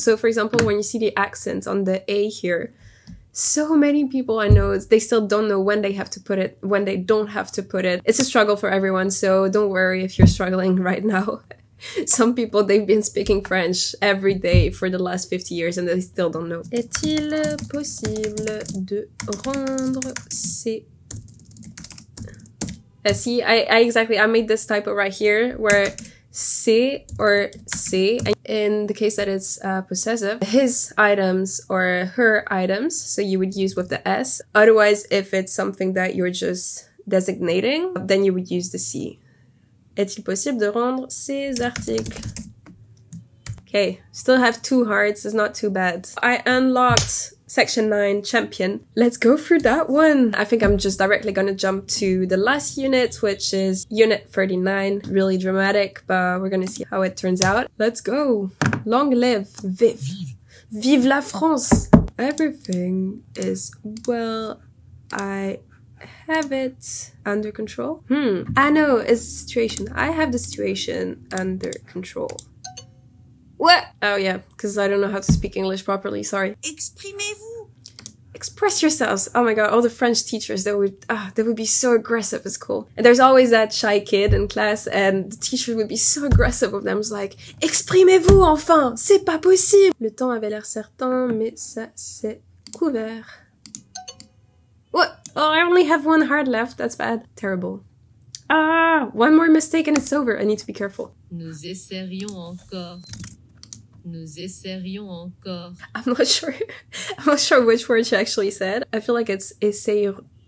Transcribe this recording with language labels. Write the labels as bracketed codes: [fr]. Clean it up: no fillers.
[en] So for example, when you see the accent on the A here, so many people I know, they still don't know when they have to put it, when they don't have to put it. It's a struggle for everyone, so don't worry if you're struggling right now. Some people, they've been speaking French every day for the last 50 years and they still don't know. [fr] Est-il possible de rendre c'est... [en] see, I made this typo right here where c'est or c'est, in the case that it's possessive, his items or her items, so you would use with the s. Otherwise, if it's something that you're just designating, then you would use the c. [fr] Est-il possible de rendre ces articles? [en] Okay, still have 2 hearts, it's not too bad. I unlocked section 9, champion. Let's go through that one. I think I'm just directly gonna jump to the last unit, which is unit 39. Really dramatic, but we're gonna see how it turns out. Let's go. Long live. [fr] Vive. Vive la France. [en] Everything is well. I have it under control. I know, it's the situation. I have the situation under control. What? Oh yeah, because I don't know how to speak English properly, sorry. [fr] Exprimez-vous. [en] Express yourselves. Oh my god, all the French teachers, they would be so aggressive. It's cool. And there's always that shy kid in class and the teacher would be so aggressive with them. It's like, [fr] exprimez-vous enfin, c'est pas possible. Le temps avait l'air certain, mais ça s'est couvert. [en] What? Oh, I only have 1 heart left. That's bad. Terrible. Ah, 1 more mistake and it's over. I need to be careful. [fr] Nous essaierions encore. Nous essaierions encore. [en] I'm not sure. I'm not sure which word she actually said. I feel like it's essayerions.